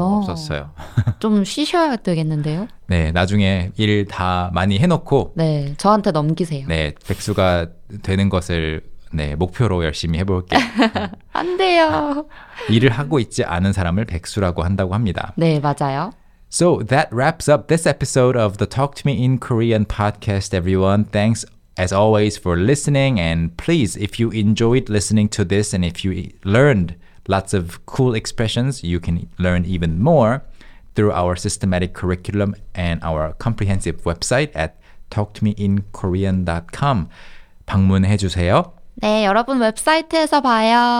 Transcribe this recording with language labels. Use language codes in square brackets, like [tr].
[ko] 없었어요. 좀 쉬셔야 되겠는데요? 네, 나중에 일 다 많이 해놓고 네, 저한테 넘기세요. 네, 백수가 되는 것을 네, 목표로 열심히 해볼게요. 안 돼요. 일을 하고 있지 않은 사람을 백수라고 한다고 합니다. 네, 맞아요. [en] So that wraps up this episode of the Talk to Me in Korean podcast, everyone. Thanks as always for listening. And please, if you enjoyed listening to this and if you learned lots of cool expressions, you can learn even more through our systematic curriculum and our comprehensive website at talktomeinkorean.com. [ko] 방문해 주세요. 네, 여러분 웹사이트에서 봐요.